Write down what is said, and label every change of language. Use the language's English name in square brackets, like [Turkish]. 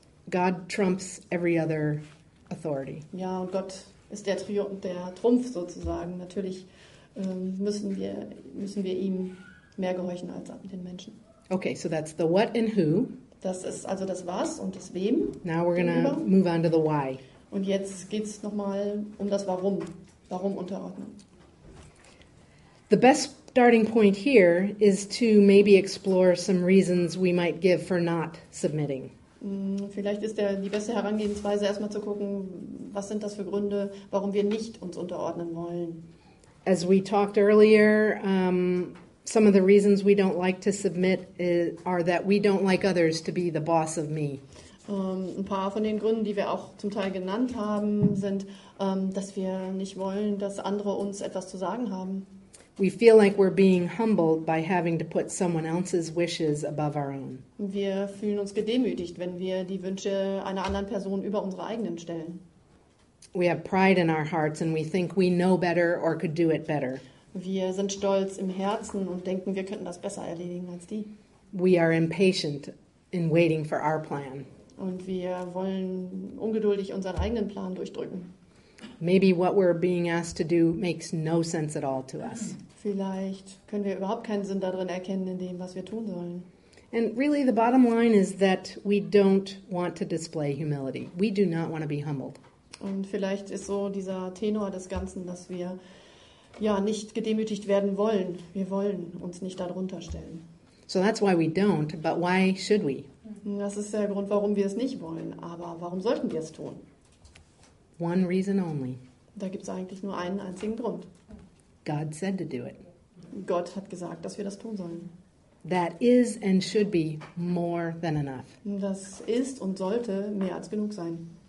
[English] God trumps every other authority. [German] Ja, und Gott ist der Trumpf sozusagen. Natürlich müssen wir ihm mehr gehorchen als den Menschen. [English] Okay, so that's the what and who. [German] Das ist also das Was und das Wem. [English] Now we're gonna move on to the why. [German] Und jetzt geht's nochmal um das Warum. Warum unterordnen? [English] The best starting point here is to maybe explore some reasons we might give for not submitting. [German] Vielleicht ist die beste Herangehensweise, erstmal zu gucken, was sind das für Gründe, warum wir nicht uns unterordnen wollen. [English] As we talked earlier, some of the reasons we don't like to submit are that we don't like others to be the boss of me. [German] Ein paar von den Gründen, die wir auch zum Teil genannt haben, sind, dass wir nicht wollen, dass andere uns etwas zu sagen haben. [English] We feel like we're being humbled by having to put someone else's wishes above our own. [German] Wir fühlen uns gedemütigt, wenn wir die Wünsche einer anderen Person über unsere eigenen stellen. [English] We have pride in our hearts and we think we know better or could do it better. [German] Wir sind stolz im Herzen und denken, wir könnten das besser erledigen als die. [English] We are impatient in waiting for our plan. [German] Und wir wollen ungeduldig unseren eigenen Plan durchdrücken. [English] Maybe what we're being asked to do makes no sense at all to us. [German] Vielleicht können wir überhaupt keinen Sinn darin erkennen, in dem, was wir tun sollen. [English] And really, the bottom line is that we don't want to display humility. We do not want to be humbled. [German] Und vielleicht ist so dieser Tenor des Ganzen, dass wir ja nicht gedemütigt werden wollen. Wir wollen uns nicht darunter stellen. [English] So that's why we don't, but why should we? [German] Das ist der Grund, warum wir es nicht wollen. Aber warum sollten wir es tun? [English] One reason only. [German] Da gibt es eigentlich nur einen einzigen Grund. [English] God said to do it. [German] Gott hat gesagt, dass wir das tun sollen. [English] That is and should be more than enough. [German] Das ist und sollte mehr als genug sein.